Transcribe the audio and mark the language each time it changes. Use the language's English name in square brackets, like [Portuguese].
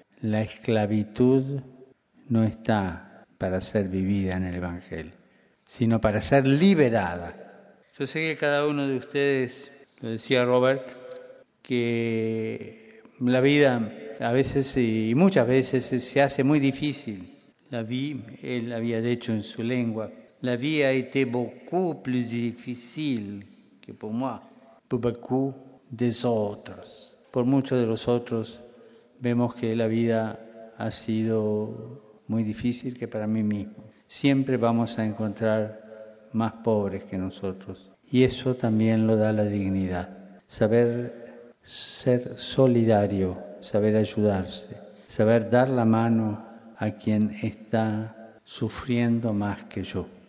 [Spanish] La esclavitud no está para ser vivida en el Evangelio, sino para ser liberada. Yo sé que cada uno de ustedes, lo decía Robert, que la vida a veces y muchas veces se hace muy difícil. Él había dicho en su lengua, la vida [French] était beaucoup plus difficile que pour moi, pour beaucoup des autres. [Spanish] Por muchos de los otros vemos que la vida ha sido muy difícil que para mí mismo. Siempre vamos a encontrar más pobres que nosotros. Y eso también lo da la dignidad. Saber ser solidario, saber ayudarse, saber dar la mano a quien está sufriendo más que yo.